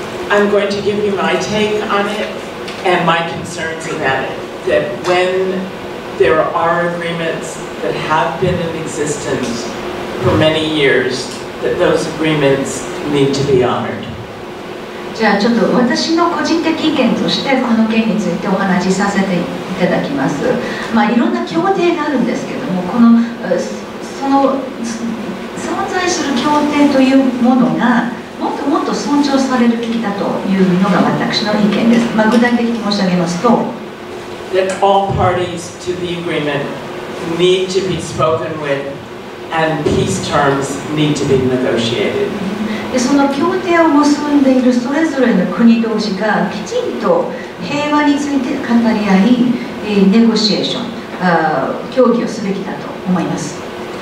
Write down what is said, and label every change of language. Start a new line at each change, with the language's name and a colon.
English: I'm going to give you my take on it and my concerns about it. That when there are agreements that have been in existence for many years, that those agreements need to be honored.
Japanese: じゃあちょっと私の個人的意見としてこの件についてお話しさせていただきます。まあいろんな協定があるんですけども、このその存在する協定というものがもっともっと尊重されるべきだというのが私の意見です。まあ具体的に申し上げますと、
English: that all parties to the agreement need to be spoken with and peace terms need to be negotiated.
Japanese: で、その協定を結んでいるそれぞれの国同士がきちんと平和について語り合い、ネゴシエーション、協議をすべきだと思います。